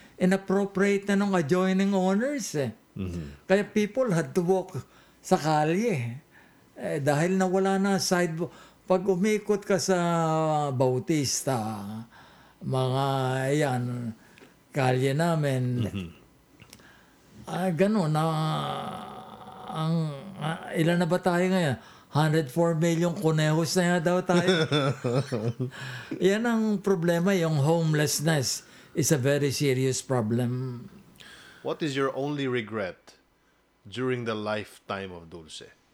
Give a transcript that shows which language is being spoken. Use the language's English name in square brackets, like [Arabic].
[English] Inappropriate [Filipino] na ng [English] adjoining owners. [Filipino] Kaya [English] people had to walk [Filipino] sa kalye. Eh, dahil nawala na sidewalk, pag umikot ka sa Bautista, mga yan, kalye namin, ganun na, ang ilan na ba tayo ngayon? 104 million kunehos na yan daw tayo. Yan ang problema, yung [English] homelessness is a very serious problem. What is your only regret during the lifetime of Dulce?